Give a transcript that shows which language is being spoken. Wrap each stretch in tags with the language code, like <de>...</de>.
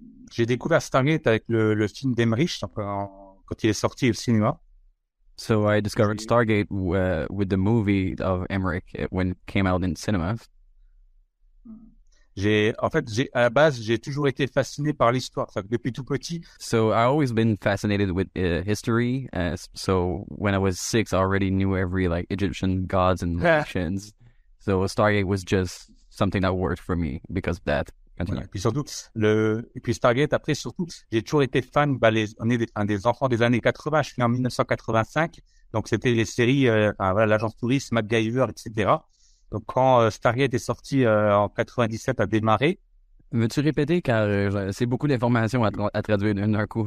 <fr>J'ai découvert Stargate avec le film d'Emmerich quand il est sorti au cinéma.</fr> <en>So I discovered Stargate with the movie of Emmerich when it came out in cinemas.</en> <fr>À la base, j'ai toujours été fasciné par l'histoire, depuis tout petit.</fr> <en>So I always been fascinated with history. So when I was 6, I already knew every like Egyptian gods and legends. So Stargate was just something that worked for me because of that.</en> <fr>Voilà. Et puis Stargate, après, surtout, j'ai toujours été fan. On est un des enfants des années 80, je suis né en 1985. Donc, c'était les séries, l'Agence Touriste, MacGyver, etc. Donc, quand Stargate est sorti en 97, a démarré. Veux-tu répéter, car c'est beaucoup d'informations à traduire d'un coup.</fr>